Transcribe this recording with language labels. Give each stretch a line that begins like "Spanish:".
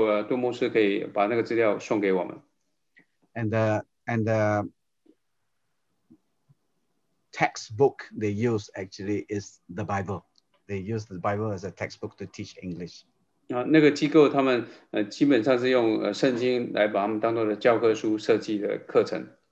Chinese: 如果你们对那样的教材有兴趣的话，杜牧师、杜教授、杜牧师可以把那个资料送给我们。
English: And the textbook they use actually is the Bible. They use the Bible as a textbook to teach English.
Chinese: 那个机构他们基本上是用圣经来把他们当做的教科书设计的课程。